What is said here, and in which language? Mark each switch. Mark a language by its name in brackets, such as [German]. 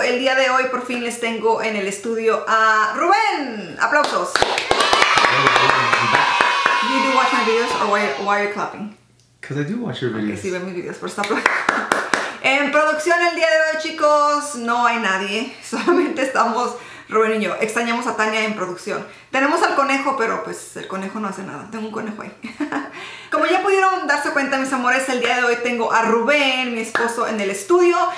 [Spanish] El día de hoy, por fin, les tengo en el estudio a Rubén. ¡Aplausos! [English] You do watch my videos or why are you clapping? Because I do watch your videos. [Spanish] Okay, sí, ven mis videos, por esta plata. En producción el día de hoy, chicos, no hay nadie. Solamente estamos Rubén y yo. Extrañamos a Tania en producción. Tenemos al conejo, pero pues el conejo no hace nada. Tengo un conejo ahí. Como ya pudieron darse cuenta, mis amores, el día de hoy tengo a Rubén, mi esposo, en el estudio.